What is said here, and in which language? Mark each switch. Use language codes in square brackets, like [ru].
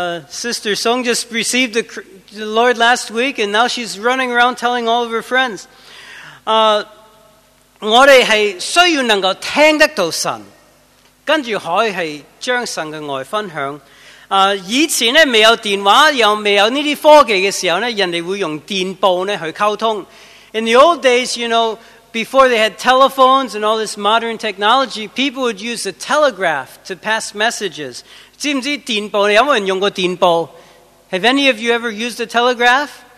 [en] Sister Song just received the Lord last week, and now she's running around telling all of her friends. [yue] 我们是需要能够听得到神，跟着可以将神的爱分享。以前没有电话，又没有这些科技的时候，人家会用电报去沟通。 [en] In the old days, you know, before they had telephones and all this modern technology, people would use the telegraph to pass messages. [yue] 知不知电报？有没有人用过电报？ [en] Have any of you ever used a telegraph?